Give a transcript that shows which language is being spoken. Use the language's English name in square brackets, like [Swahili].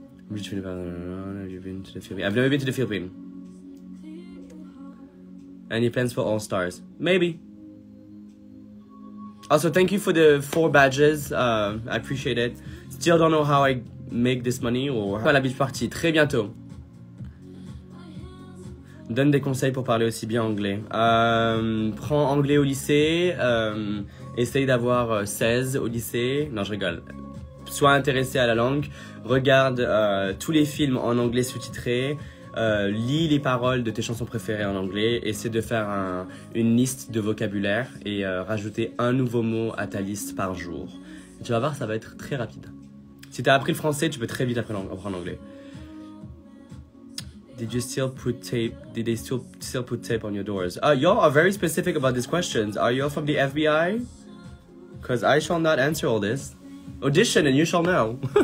[English] I've never been to the Philippines. Any plans for All Stars? Maybe. Also, thank you for the 4 badges. I appreciate it. Still don't know how I make this money or how. [French] La beach party. Très bientôt. Donne des conseils pour parler aussi bien anglais. Prends anglais au lycée. Essaye d'avoir 16 au lycée. Non, je rigole. Sois intéressé à la langue. Regarde tous les films en anglais sous-titrés. lis les paroles de tes chansons préférées en anglais, essaie de faire une liste de vocabulaire et rajouter un nouveau mot à ta liste par jour. Tu vas voir, ça va être très rapide. Si tu as appris le français, tu peux très vite apprendre l'anglais. [English] Did you still put tape? Did they still put tape on your doors? Y'all are very specific about these questions. Are y'all from the FBI? Because I shall not answer all this. Audition and you shall know.